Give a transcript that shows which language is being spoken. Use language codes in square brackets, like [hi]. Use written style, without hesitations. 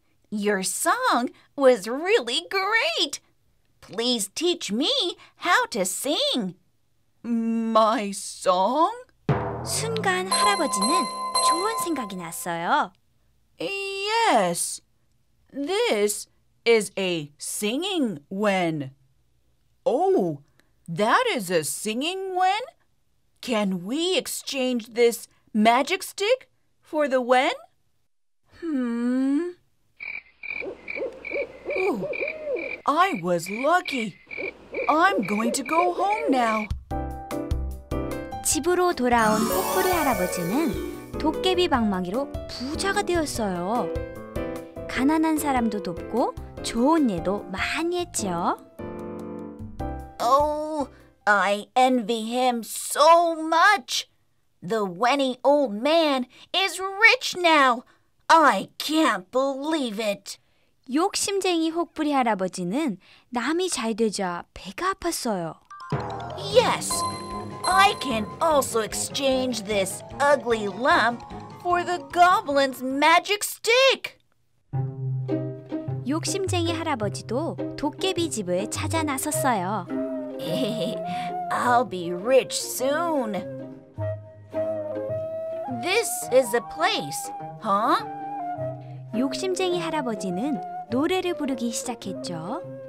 [en] Your song was really great. Please teach me how to sing. My song? [ko] 순간 할아버지는 좋은 생각이 났어요. [en] Yes. This is a singing wen. Oh, that is a singing wen? Can we exchange this magic stick for the wen? Ooh, I was lucky. I'm going to go home now. [ko] 집으로 돌아온 혹부리 할아버지는 도깨비 방망이로 부자가 되었어요. 가난한 사람도 돕고 좋은 일도 많이 했죠. [en] Oh! I envy him so much. The Wenny old man is rich now. I can't believe it. [ko] 욕심쟁이 혹부리 할아버지는 남이 잘 되자 배가 아팠어요. [en] Yes, I can also exchange this ugly lump for the goblin's magic stick. [ko] 욕심쟁이 할아버지도 도깨비 집을 찾아 나섰어요. [en] I'll be rich soon. This is the place, huh? [ko] 욕심쟁이 할아버지는 노래를 부르기 시작했죠.